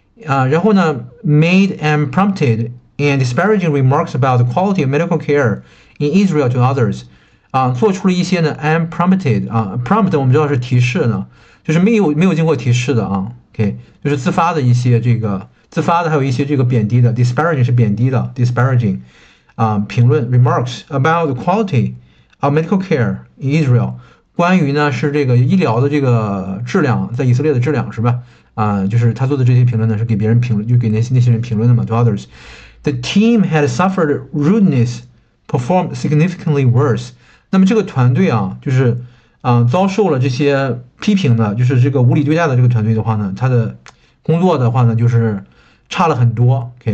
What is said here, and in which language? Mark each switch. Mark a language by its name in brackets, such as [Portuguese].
[Chinese] 然后呢， [English] made unprompted and disparaging remarks about the quality of medical care in Israel to others， [Chinese] 做出了一些呢 unprompted prompt 我们知道是提示呢，就是没有经过提示的啊，OK，就是自发的一些这个自发的，还有一些这个贬低的 disparaging 是贬低的 disparaging，评论 [English] remarks about the quality of medical care in Israel， [Chinese] 关于呢是这个医疗的这个质量，在以色列的质量是吧？就是他做的这些评论呢，是给别人评论，就给那些人评论的嘛。 [English] To others, the team had suffered rudeness, performed significantly worse。 [Chinese] 那么这个团队啊，就是遭受了这些批评的，就是这个无理对待的这个团队的话呢，他的工作的话呢，就是差了很多。